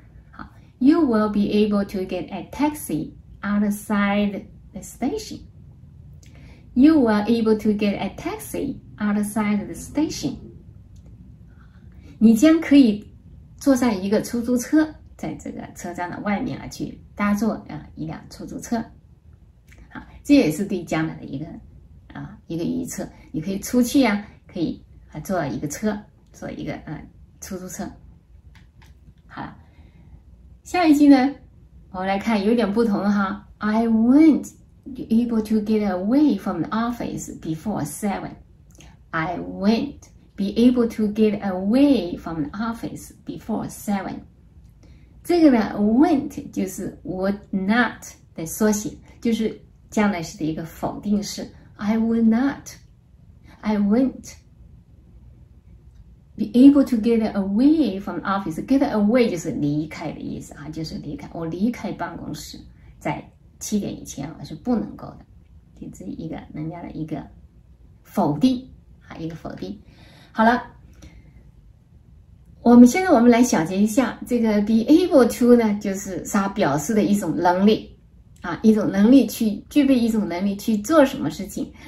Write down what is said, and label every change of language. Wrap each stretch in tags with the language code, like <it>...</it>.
<en>好 ，you will be able to get a taxi outside the station. You will be able to get a taxi outside the station.</en> <zh>你将可以坐上一个出租车。在这个车站的外面啊，去搭坐一辆出租车，好，这也是对将来的一个一个预测。你可以出去呀，可以坐一个车，坐一个出租车。好了，下一句呢，我们来看有点不同哈。</zh> <en>I won't able to get away from the office before 7. I won't be able to get away from the office before 7.</en> <zh>这个呢 won't 就是</zh> <en>would not</en> <zh>的缩写，就是将来时的一个否定式。</zh> <en>I will not. I won't be able to get away from the office. Get away</en> <zh>就是离开的意思啊，就是离开，我离开办公室，在7点以前我是不能够的。给自己一个人家的一个否定啊，一个否定。好了。我们现在我们来小结一下，这个 be able to 呢，就是它表示的一种能力啊，一种能力去具备一种能力去做什么事情。</zh>